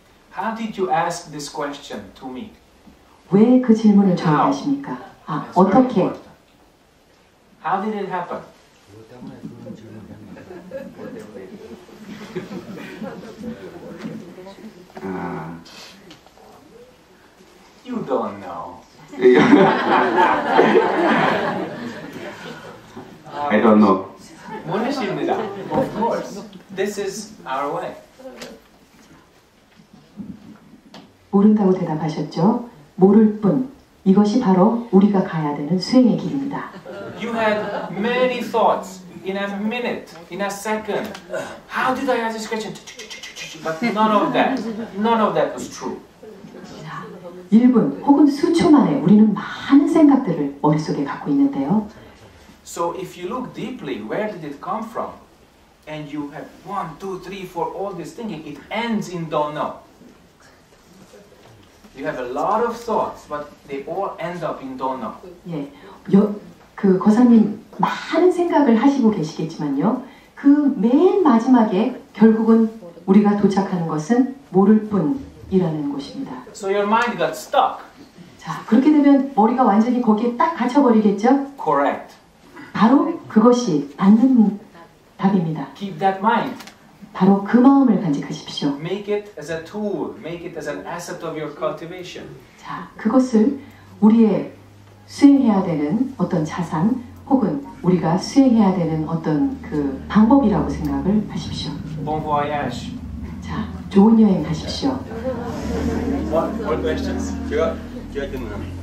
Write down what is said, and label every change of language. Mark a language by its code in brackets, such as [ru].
[en] How did you ask this question to me? [ko] 왜 그 질문을 저한테 하십니까? 아, 어떻게? [en] How did it happen? [ko] 뭐 때문에 그런 질문을 하는 거예요? [en] You don't know. I don't know. [ko] 모니시입니다. [en] Of course. This is our way. [ko] 모른다고 대답하셨죠? 모를 뿐. 이것이 바로 우리가 가야 되는 수행의 길입니다. [en] You had many thoughts in a minute, in a second. How did I ask this question? But none of that was true. [ko] 1분 혹은 수초 만에 우리는 많은 생각들을 머릿속에 갖고 있는데요. [en] So if you look deeply, where did it come from? And you have 1, 2, 3, 4, all this thinking, it ends in don't know. You have a lot of thoughts, but they all end up in don't know. [ko] 예, 그 거사님 많은 생각을 하시고 계시겠지만요. 그 맨 마지막에 결국은 우리가 도착하는 것은 모를 뿐이라는 곳입니다. [en] So your mind got stuck. [ko] 자, 그렇게 되면 머리가 완전히 거기에 딱 갇혀버리겠죠? [en] Correct. [ko] 바로 그것이 맞는 답입니다. [en] Keep that mind. [ko] 바로 그 마음을 간직하십시오. [en] Make it as a tool. Make it as an asset of your cultivation. [ko] 자, 그것을 우리의 수행해야 되는 어떤 자산 혹은 우리가 수행해야 되는 어떤 그 방법이라고 생각을 하십시오. [en] Bon voyage. [ko] 자, 좋은 여행 가십시오. [en] One question. [ko] 제가 질문.